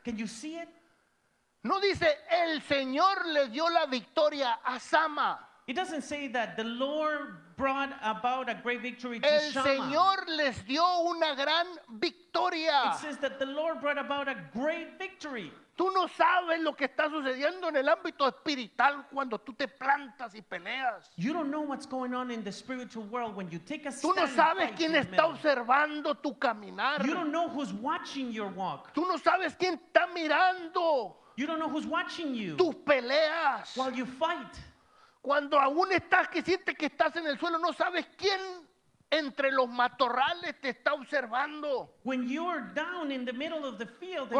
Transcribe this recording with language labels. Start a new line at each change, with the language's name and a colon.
English: Can you see it?
Spanish: No dice, el Señor le dio la victoria a Sama.
English: It doesn't say that the Lord brought about a great victory to
Spanish: El
English: Shama.
Spanish: El Señor les dio una gran victoria.
English: It says that the Lord brought about a great victory.
Spanish: Tú no sabes lo que está sucediendo en el ámbito espiritual cuando tú te plantas y peleas.
English: You don't know what's going on in the spiritual world when you take a stand.
Spanish: Tú no sabes quién está observando tu caminar.
English: You don't know who's watching your walk.
Spanish: Tú no sabes quién está mirando.
English: You don't know who's watching you.
Spanish: Tus peleas.
English: While you fight.
Spanish: Cuando aún estás, que sientes que estás en el suelo, no sabes quién entre los matorrales te está observando.
English: When you're down in the middle of the field,